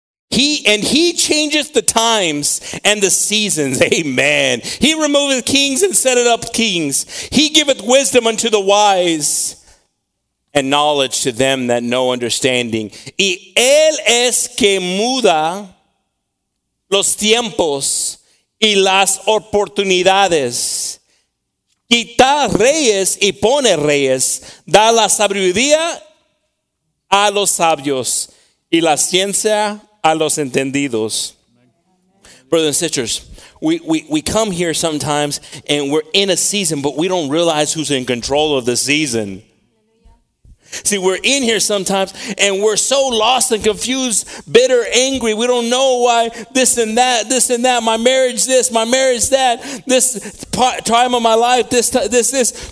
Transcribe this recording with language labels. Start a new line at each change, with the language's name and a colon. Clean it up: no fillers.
English: He changes the times and the seasons. Amen. He removeth kings and setteth up kings. He giveth wisdom unto the wise and knowledge to them that know understanding.
Spanish: Y él es que muda los tiempos y las oportunidades. Quita reyes y pone reyes. Da la sabiduría a los sabios y la ciencia a los entendidos.
English: Brothers and sisters, we come here sometimes and we're in a season, but we don't realize who's in control of the season. See, we're in here sometimes and we're so lost and confused, bitter, angry. We don't know why this and that, my marriage this, my marriage that, this time of my life, this.